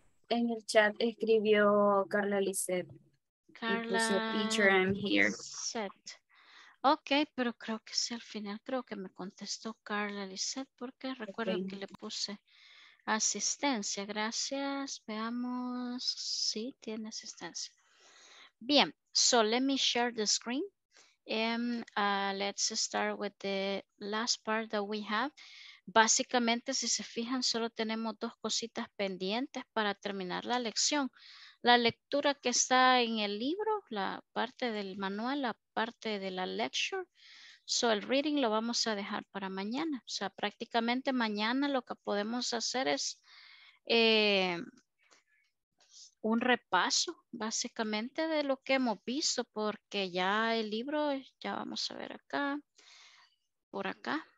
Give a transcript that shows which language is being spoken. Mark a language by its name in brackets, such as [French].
[Spanish] en el chat escribió Carla Lisette. Carla. [English] Teacher, I'm here. [Spanish] Lisette. Okay, pero creo que sí, al final creo que me contestó Carla Lisette porque recuerdo okay. Que le puse asistencia. Gracias. Veamos. Sí, tiene asistencia. [English] Bien, so let me share the screen and let's start with the last part that we have. [Spanish] Básicamente, si se fijan, solo tenemos dos cositas pendientes para terminar la lección. La lectura que está en el libro, la parte del manual, la parte de la lecture. So el reading lo vamos a dejar para mañana. O sea, prácticamente mañana lo que podemos hacer es un repaso básicamente de lo que hemos visto, porque ya el libro, ya vamos a ver acá, por acá.